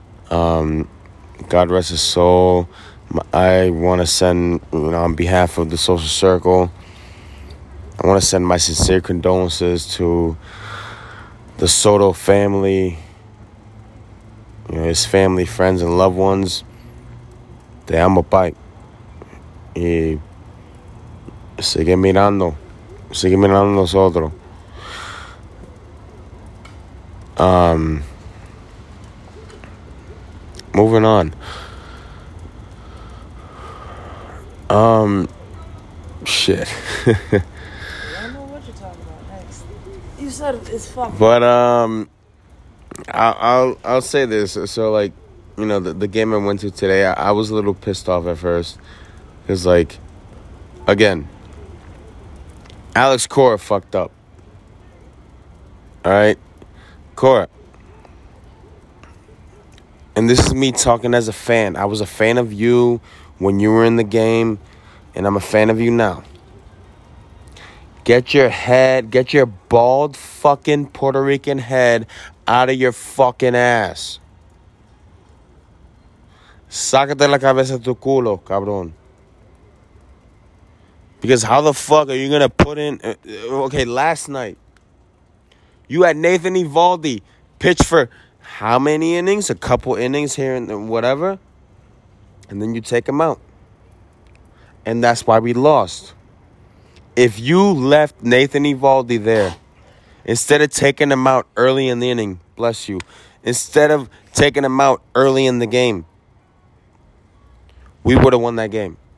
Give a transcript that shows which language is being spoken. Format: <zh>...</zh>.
<en>God rest his soul. I want to send, you know, on behalf of the Social Circle, I want to send my sincere condolences to the Soto family, you know, his family, friends, and loved ones.</en> <es>Te amo, pai. Y sigue mirando nosotros.</es> <en>Moving on. Shit. I don't know what you're talking about next. You said it's fucked. But I'll say this. So like, you know, the game I went to today, I was a little pissed off at first. Cause like, again, Alex Cora fucked up. All right, Cora. And this is me talking as a fan. I was a fan of you when you were in the game, and I'm a fan of you now. Get your bald fucking Puerto Rican head out of your fucking ass.</en> <es>Sácate la cabeza de tu culo, cabrón.</es> <en>Because how the fuck are you gonna put in... Okay, last night, you had Nathan Eovaldi pitch for... How many innings? A couple innings here and whatever. And then you take him out. And that's why we lost. If you left Nathan Eovaldi there, instead of taking him out early in the inning, bless you, instead of taking him out early in the game, we would have won that game.</en>